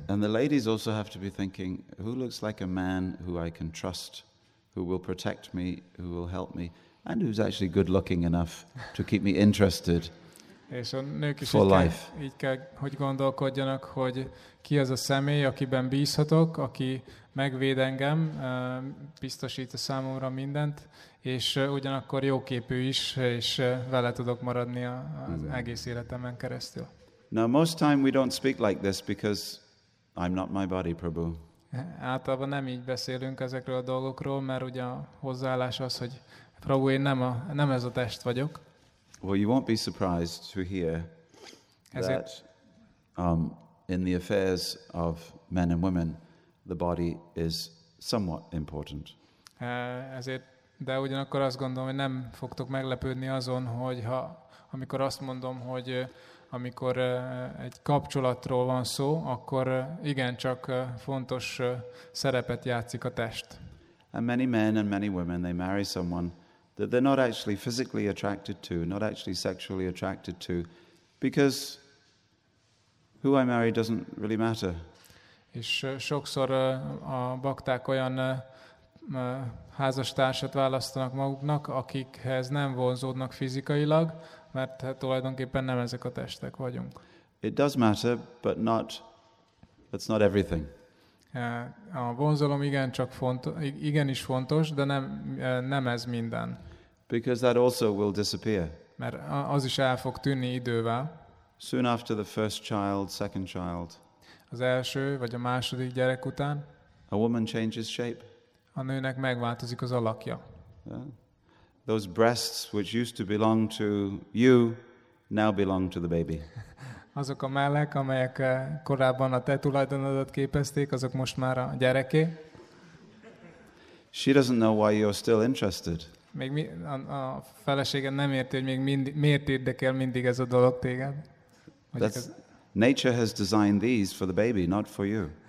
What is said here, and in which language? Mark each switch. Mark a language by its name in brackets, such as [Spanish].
[English] And the ladies also have to be thinking, who looks like a man who I can trust, who will protect me, who will help me, and who's actually good looking enough to keep me interested [Hungarian] és a nők is [English] for life. [Hungarian] Így kell, hogy gondolkodjanak, hogy ki az a személy, akiben bízhatok, aki megvéd engem, biztosít a számomra mindent, és ugyanakkor jóképű is, és vele tudok maradni az egész életemen keresztül. [English] Now most time we don't speak like this because I'm not my body, Prabhu. [Hungarian] Általában nem így beszélünk ezekről a dolgokról, mert ugye a hozzáállás az, hogy Prabhu, én nem ez a test vagyok. [English] Well, you won't be surprised to hear that in the affairs of men and women, the body is somewhat important. [Hungarian] Ezért, de ugyanakkor azt gondolom, hogy nem fogtok meglepődni azon, hogy ha, amikor azt mondom, hogy amikor egy kapcsolatról van szó, akkor igencsak fontos szerepet játszik a test. [English] And many men and many women, they marry someone that they're not actually physically attracted to, not actually sexually attracted to, because who I marry doesn't really matter. [Hungarian] És sokszor a bakták olyan házastársat választanak maguknak, akikhez nem vonzódnak fizikailag, mert tulajdonképpen nem ezek a testek vagyunk. [English] It does matter, but not, it's not everything. [Hungarian] A vonzalom igen csak fontos, igen is fontos, de nem ez minden. [English] Because that also will disappear. [Hungarian] Mert az is el fog tűnni idővel. [English] Soon after the first child, second child. [Hungarian] Az első vagy a második gyerek után. [English] A woman changes shape. [Hungarian] A nőnek megváltozik az alakja. [English] Yeah. Those breasts which used to belong to you now belong to the baby. [Hungarian] Azok a mellek, amelyek korábban a te tulajdonodat képezték, azok most már a gyereké. [English] She doesn't know why you're still interested. [Hungarian] Még a feleséged nem érti, hogy még miért érdekel mindig ez a dolog téged. [English] Nature has designed these for the baby, not for you.